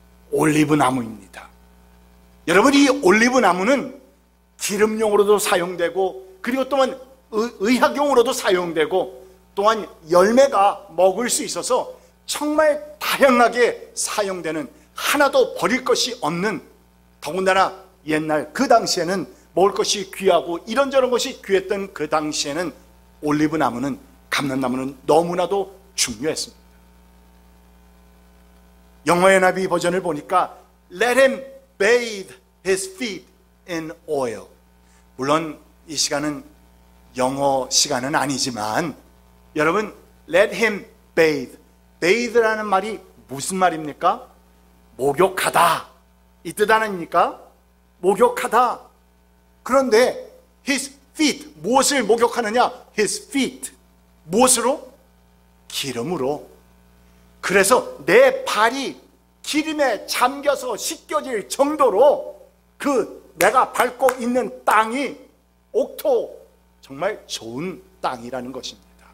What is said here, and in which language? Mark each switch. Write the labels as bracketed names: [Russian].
[Korean] 올리브 나무입니다. 여러분, 이 올리브 나무는 기름용으로도 사용되고 그리고 또한 의학용으로도 사용되고 또한 열매가 먹을 수 있어서 정말 다양하게 사용되는 하나도 버릴 것이 없는 더군다나 옛날 그 당시에는 먹을 것이 귀하고 이런저런 것이 귀했던 그 당시에는 올리브 나무는 감람나무는 너무나도 중요했습니다. 영어의 나비 버전을 보니까 [English] Let him bathe his feet in oil. [Korean] 물론 이 시간은 영어 시간은 아니지만 여러분 [English] Let him bathe. [Korean] Bathe라는 말이 무슨 말입니까? 목욕하다. 이 뜻 아닙니까? 목욕하다. 그런데 [English] his feet. [Korean] 무엇을 목욕하느냐? [English] His feet. [Korean] 무엇으로? 기름으로. 그래서 내 발이 기름에 잠겨서 씻겨질 정도로 그 내가 밟고 있는 땅이 옥토 정말 좋은 땅이라는 것입니다.